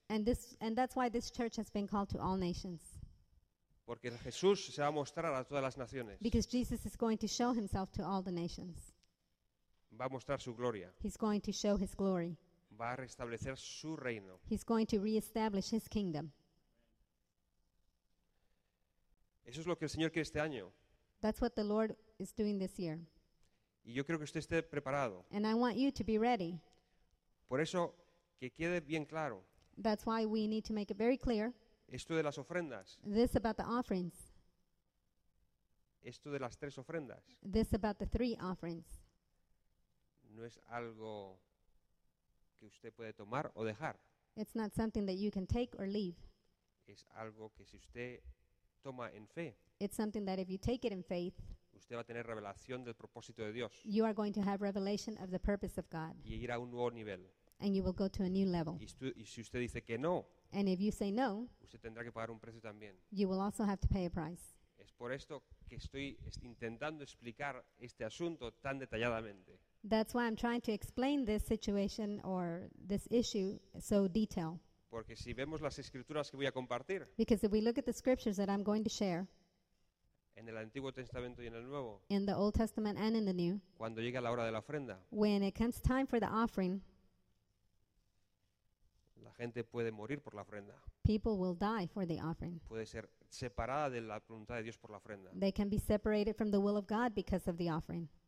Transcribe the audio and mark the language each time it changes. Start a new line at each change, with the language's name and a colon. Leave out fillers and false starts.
English: And that's why this church has been called to all nations.
Spanish: Porque Jesús se va a mostrar a todas las naciones.
English: Because Jesus is going to show himself to all the nations.
Spanish: Va a mostrar su gloria.
English: He's going to show his glory.
Spanish: Va a restablecer su reino.
English: He's going to reestablish his kingdom.
Spanish: Eso es lo que el Señor quiere este año.
English: That's what the Lord is doing this year.
Spanish: Y yo quiero que usted esté preparado.
English: And I want you to be ready.
Spanish: Por eso, que quede bien claro.
English: That's why we need to make it very clear.
Spanish: Esto de las ofrendas.
English: This about the offerings.
Spanish: Esto de las tres ofrendas.
English: This about the three offerings.
Spanish: No es algo que usted puede tomar o dejar.
English: It's not something that you can take or leave.
Spanish: Es algo que si usted toma en fe.
English: It's something that if you take it in faith.
Spanish: Usted va a tener revelación del propósito de Dios.
English: You are going to have revelation of the purpose of God.
Spanish: Y ir a un nuevo nivel.
English: And you will go to a new level.
Spanish: Y si usted dice que no.
English: And if you say no.
Spanish: Usted tendrá que pagar un precio también.
English: You will also have to pay a price.
Spanish: Es por esto que estoy intentando explicar este asunto tan detalladamente.
English: That's why I'm trying to explain this situation or this issue so detailed.
Spanish: Porque si vemos las escrituras que voy a compartir.
English: Because if we look at the scriptures that I'm going to share.
Spanish: En el Antiguo Testamento y en el Nuevo.
English: In the Old Testament and in the New.
Spanish: Cuando llega la hora de la ofrenda.
English: When it comes time for the offering.
Spanish: La gente puede morir por la ofrenda.
English: People will die for the offering.
Spanish: Puede ser separada de la voluntad de Dios por la ofrenda.
English: They can be separated from the will of God because of the offering.